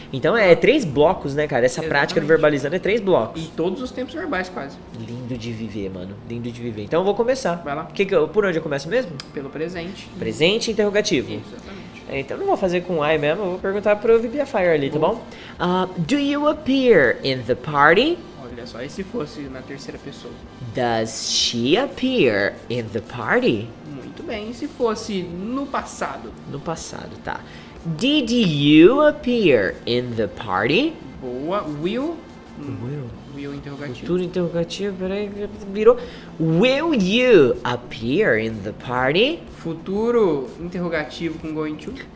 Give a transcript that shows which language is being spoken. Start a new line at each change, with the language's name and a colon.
Portuguese: Então é três blocos, né, cara? Essa Exatamente. Prática do verbalizando é três blocos. E todos os tempos verbais, quase. Lindo de viver, mano. Lindo de viver. Então eu vou começar. Vai lá. Por onde eu começo mesmo? Pelo presente. Presente interrogativo. Exatamente. Então não vou fazer com I mesmo, vou perguntar pro Vivia Fire ali, tá bom?
English: Do you appear in the party?
Portuguese: Olha só, e se fosse na terceira pessoa?
English: Does she appear in the party?
Portuguese: Muito bem, e se fosse no passado? No passado, tá.
English: Did you appear in the party?
Portuguese: Boa, will?
English: Will.
Portuguese: Will interrogativo. Tudo interrogativo, peraí, virou.
English: Will you appear in the party?
Portuguese: Futuro interrogativo com going to.